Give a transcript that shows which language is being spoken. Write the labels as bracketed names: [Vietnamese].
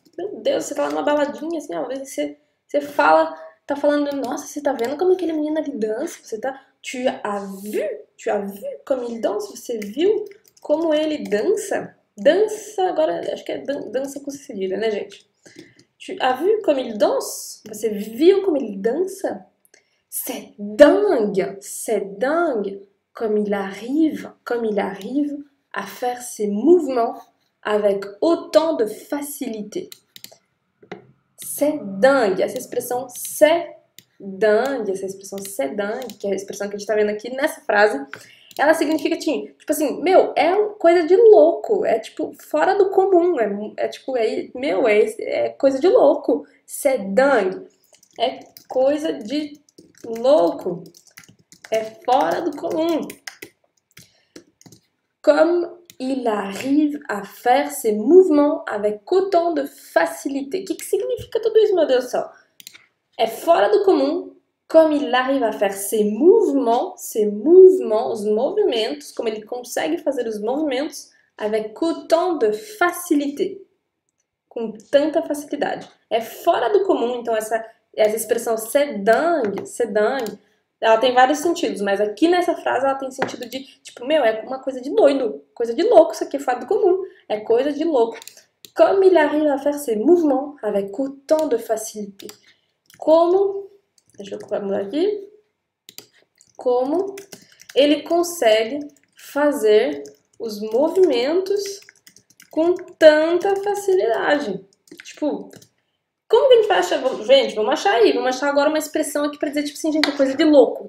[Portuguese] Meu Deus, você fala numa baladinha assim, ó. Você fala, tá falando, nossa, você tá vendo como aquele menino ali dança? Você tá. [French] Tu as vu comme il danse? [Portuguese] Você viu como ele dança? [French] Dança, agora acho que é dança com cedilha, né, gente? Tu as vu comme il danse? [Portuguese] Você viu como ele dança? [French] C'est dingue comme il arrive à faire ses mouvements avec autant de facilité. [Portuguese] C'est dingue, essa expressão c'est dingue, essa expressão c'est dingue, que é a expressão que a gente está vendo aqui nessa frase. Ela significa, tipo assim, meu, é coisa de louco, é tipo fora do comum, meu, é coisa de louco. [French] C'est dingue. [Portuguese] É coisa de louco. É fora do comum. [French] Comme il arrive à faire ses mouvements avec autant de facilité. [Portuguese] O que que significa tudo isso, meu Deus do céu? É fora do comum Como ele arriva a fazer seus movimentos, os movimentos, como ele consegue fazer os movimentos [French] avec autant de facilité, [Portuguese] com tanta facilidade. É fora do comum, então essa expressão sedang, ela tem vários sentidos, mas aqui nessa frase ela tem sentido de, tipo, meu, é uma coisa de doido, coisa de louco, isso aqui é fora do comum, é coisa de louco. [French] Comme il arrive à faire ses mouvements avec autant de facilité. [Portuguese] Como, deixa eu mudar aqui, como ele consegue fazer os movimentos com tanta facilidade. Tipo, como que a gente vai achar? Gente, vamos achar agora uma expressão aqui pra dizer, tipo assim, gente, coisa de louco.